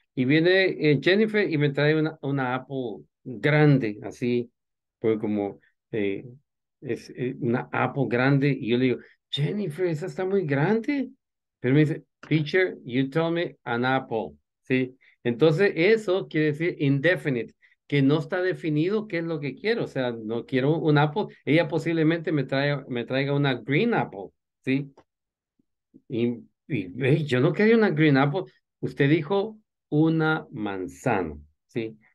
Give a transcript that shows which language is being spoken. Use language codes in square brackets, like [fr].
[es] Y viene Jennifer y me trae una apple grande, así, pues como es una apple grande. Y yo le digo, Jennifer, esa está muy grande. Pero me dice, [en] teacher, you told me an apple. [es] Sí. Entonces, eso quiere decir indefinite, que no está definido qué es lo que quiero. O sea, no quiero un apple. Ella posiblemente me traiga una [en] green apple, [es] ¿sí? Y hey, yo no quería una [en] green apple. [es] Usted dijo una manzana, ¿sí?